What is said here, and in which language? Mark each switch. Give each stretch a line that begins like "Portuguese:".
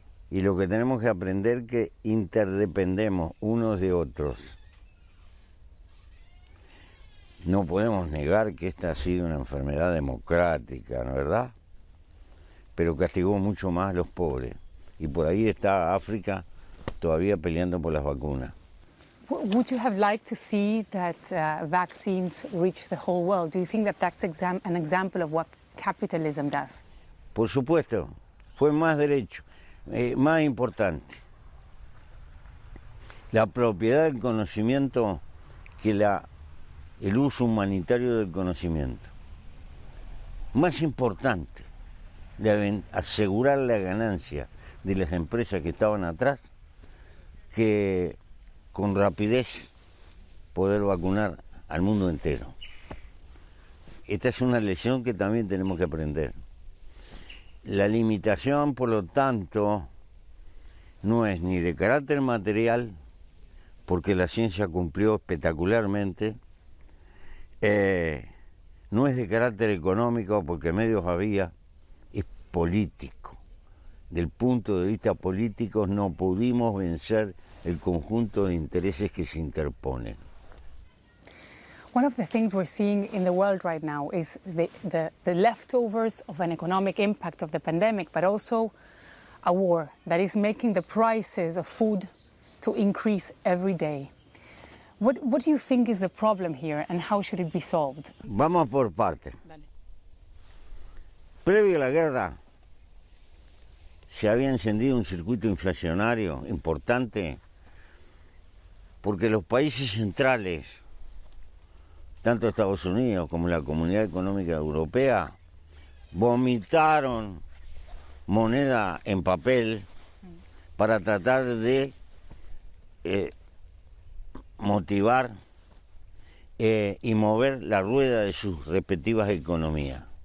Spanish: Y lo que tenemos que aprender es que interdependemos unos de otros. No podemos negar que esta ha sido una enfermedad democrática, ¿no es verdad? Pero castigó mucho más a los pobres. Y por ahí está África todavía peleando por las vacunas.
English: Would you have liked to see that vaccines reach the whole world? Do you think that that's an example of what capitalism does?
Spanish: Por supuesto, fue más derecho, más importante. La propiedad del conocimiento que el uso humanitario del conocimiento. Más importante de asegurar la ganancia de las empresas que estaban atrás que con rapidez poder vacunar al mundo entero. Esta es una lección que también tenemos que aprender. La limitación, por lo tanto, no es ni de carácter material, porque la ciencia cumplió espectacularmente, no es de carácter económico, porque medios había, es político. Del punto de vista político, no pudimos vencer el conjunto de intereses que se interponen.
English: One of the things we're seeing in the world right now is the leftovers of an economic impact of the pandemic, but also a war that is making the prices of food to increase every day. What do you think is the problem here and how should it be solved?
Spanish: Vamos por parte. Previo a la guerra, se había encendido un circuito inflacionario importante porque los países centrales, tanto Estados Unidos como la Comunidad Económica Europea, vomitaron moneda en papel para tratar de motivar y mover la rueda de sus respectivas economías.